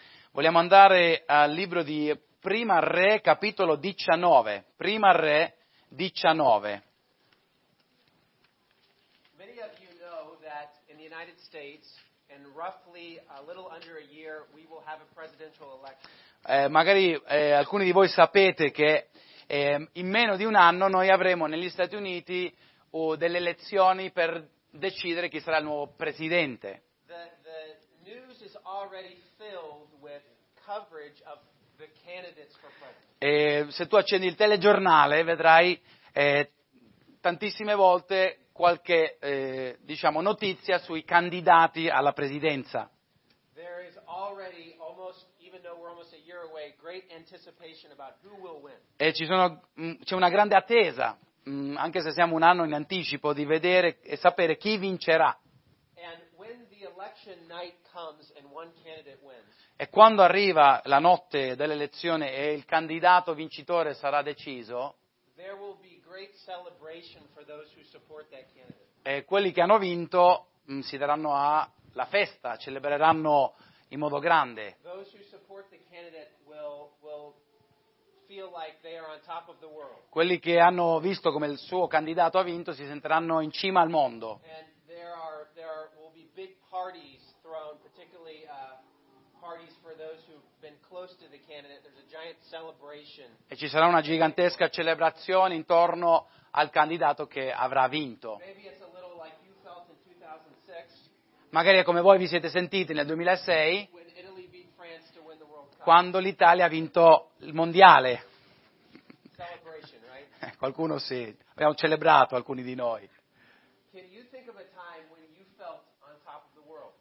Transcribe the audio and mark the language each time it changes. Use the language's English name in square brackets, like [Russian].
[Italian] Vogliamo andare al libro di Prima Re, capitolo 19. Prima Re 19. [English] Many of you know that in the United States, in roughly a little under a year, we will have a presidential election. [Italian] Magari alcuni di voi sapete che in meno di un anno noi avremo negli Stati Uniti delle elezioni per decidere chi sarà il nuovo presidente. [English] The news is already filled with coverage of the candidates for president. [Italian] Se tu accendi il telegiornale vedrai tantissime volte qualche diciamo notizia sui candidati alla presidenza. [English] There is already almost, even though we're almost a year away, great anticipation about who will win. [Italian] E c'è una grande attesa, anche se siamo un anno in anticipo, di vedere e sapere chi vincerà. [English] And when the election night comes and one candidate wins. [Italian] E quando arriva la notte dell'elezione e il candidato vincitore sarà deciso, [English] there will be great celebration for those who support that candidate. [Italian] E quelli che hanno vinto si daranno a la festa, celebreranno in modo grande. [English] Those who support the candidate will feel like they are on top of the world. [Italian] Quelli che hanno visto come il suo candidato ha vinto si sentiranno in cima al mondo. [English] And there will be big parties thrown, particularly parties for those who've been close to the candidate. There's a giant celebration. [Italian] E ci sarà una gigantesca celebrazione intorno al candidato che avrà vinto. [English] Maybe it's a little like you felt in 2006. [Italian] Magari è come voi vi siete sentiti nel 2006. [English] When Italy beat France to win the World Cup. [Italian] Quando l'Italia ha vinto il mondiale. [English] Celebration, right? [Italian] Qualcuno sì. Abbiamo celebrato alcuni di noi. [English] Can you think of a time when you felt on top of the world?